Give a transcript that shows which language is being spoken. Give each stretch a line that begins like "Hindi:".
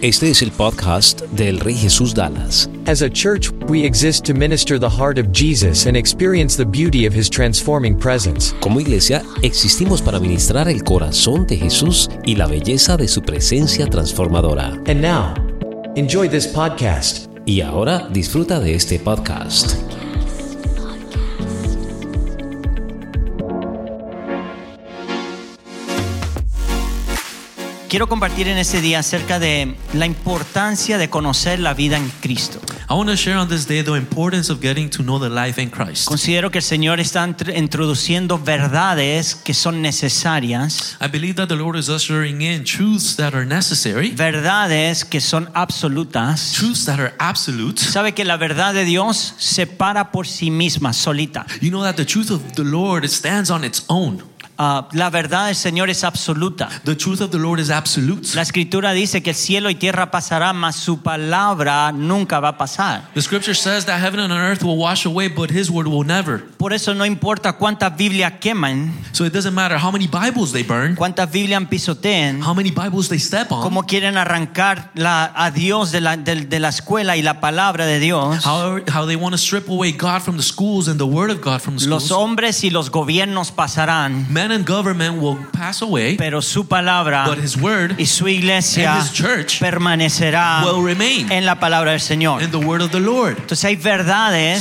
Spanish: Este es el podcast del Rey Jesús Dallas.
English: As a church, we exist to minister the heart of Jesus and experience the beauty of His transforming presence.
Spanish: Como iglesia, existimos para ministrar el corazón de Jesús y la belleza de su presencia transformadora.
English: And now, enjoy this podcast.
Spanish: Y ahora, disfruta de este podcast. Quiero compartir en este día acerca de la importancia de conocer la vida en Cristo.
English: I want to share on this day the importance of getting to know the life in Christ.
Spanish: Considero que el Señor está introduciendo verdades que son necesarias.
English: I believe that the Lord is ushering in truths that are necessary.
Spanish: Verdades que son absolutas.
English: Truths that are absolute.
Spanish: Sabe que la verdad de Dios se para por sí misma, solita.
English: You know that the truth of the Lord stands on its own.
Spanish: La verdad del Señor es absoluta.
English: The truth of the Lord is absolute.
Spanish: La escritura dice que el cielo y tierra pasará, mas su palabra nunca va a pasar.
English: The scripture says that heaven and earth will wash away, but His word will never.
Spanish: Por eso no importa cuánta Biblia quemen.
English: So it doesn't matter how many Bibles they burn.
Spanish: Cuánta Biblia pisoteen.
English: How many Bibles they step on.
Spanish: Cómo quieren arrancar a Dios de la escuela y la palabra de Dios.
English: How they want to strip away God from the schools and the word of God from the schools.
Spanish: Los hombres y los gobiernos pasarán.
English: Men and government will pass away,
Spanish: pero su palabra,
English: but His word
Spanish: y su iglesia,
English: and His church
Spanish: permanecerá,
English: will remain
Spanish: en la palabra del Señor,
English: in the word of the Lord.
Spanish: Entonces, hay verdades,